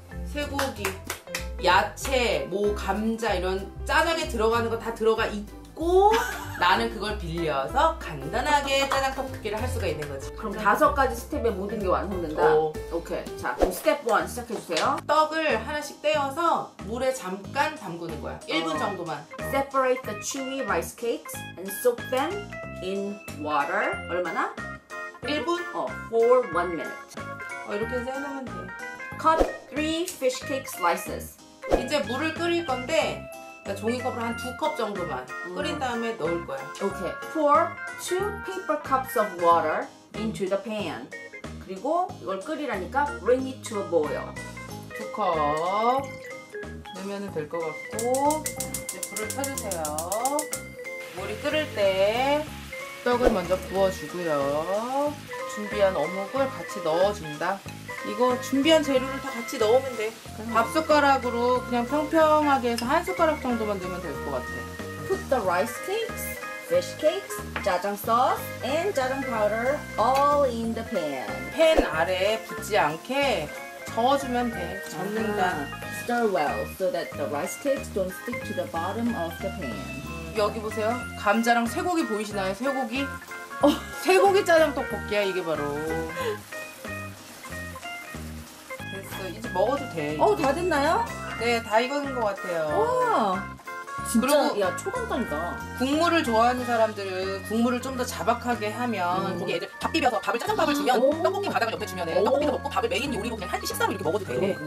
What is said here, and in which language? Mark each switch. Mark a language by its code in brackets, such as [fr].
[ko] 쇠고기, 야채, 뭐 감자 이런 짜장에 들어가는 거 다 들어가 있고 나는 그걸 빌려서 간단하게 짜장떡볶이를 할 수가 있는 거지. 그럼 다섯 가지 스텝에 모든 게 완성된다? 오케이. 자 그럼 스텝 1 시작해주세요. 떡을 하나씩 떼어서 물에 잠깐 담그는 거야. 1분 정도만. [en] Separate the chewy rice cakes and soak them in water. [ko] 얼마나? 1분? [en] For 1 minute. [ko] 이렇게 해서 해놓으면 돼. [en] Cut 3 fish cake slices. [ko] 이제 물을 끓일 건데 종이컵으로 한 2컵 정도만 끓인 다음에 넣을 거야. [en] Okay. Pour 2 paper cups of water into the pan. [ko] 그리고 이걸 끓이라니까 [en] bring it to a boil. [ko] 2컵 넣으면 될 것 같고 이제 불을 켜주세요. 물이 끓을 때 떡을 먼저 부어주고요. 준비한 어묵을 같이 넣어준다. 이거 준비한 재료를 다 같이 넣으면 돼. 밥 숟가락으로 그냥 평평하게 해서 한 숟가락 정도만 넣으면 될 것 같아. [en] Put the rice cakes, fish cakes, 짜장 소스, and 짜장 파우더 all in the pan. [ko] 팬 아래에 붙지 않게 저어주면 돼. 젓는다. [en] Stir well so that the rice cakes don't stick to the bottom of the pan. [ko] 여기 보세요. 감자랑 쇠고기 보이시나요? 쇠고기? 쇠고기 짜장 떡볶이야 이게 바로. 이제 먹어도 돼. 다 됐나요? 네, 다 익은 것 같아요. 진짜 야 초간단이다. 국물을 좋아하는 사람들은 국물을 좀 더 자박하게 하면 거기 애들 밥 비벼서 밥을 짜장밥을 주면 떡볶이 바닥을 옆에 주면 떡볶이도 먹고 밥을 메인 요리로 그냥 한끼 식사로 이렇게 먹어도 돼.